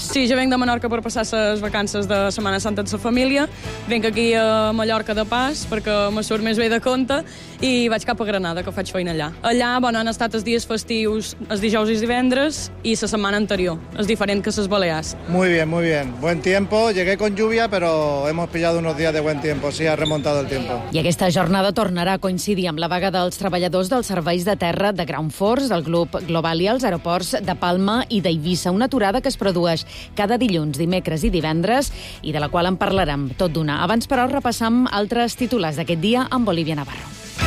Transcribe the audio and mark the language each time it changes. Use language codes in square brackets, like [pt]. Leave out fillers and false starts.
[ca] Sí, jo venc de Menorca per passar les vacances de Setmana Santa amb la família. Venc aquí a Mallorca de pas perquè me surt més bé de compte i vaig cap a Granada, que faig feina allà. Allà, bueno, han estat els dies festius, els dijous i divendres, i la setmana anterior. És diferent que les Balears. [es] Muy bien, muy bien. Buen tiempo. Llegué con lluvia, pero hemos pillado unos días de buen tiempo. Sí, ha remontado el tiempo. [ca] I aquesta jornada tornarà a coincidir amb la vaga dels treballadors dels serveis de terra de Ground Force, del grup Global i els aeroports de Palma i d'Eivissa. Una aturada que es produeix cada dilluns, dimecres i divendres, i de la qual en parlarem tot d'una. Abans, però, repassam altres titulars d'aquest dia amb Olivia Navarro.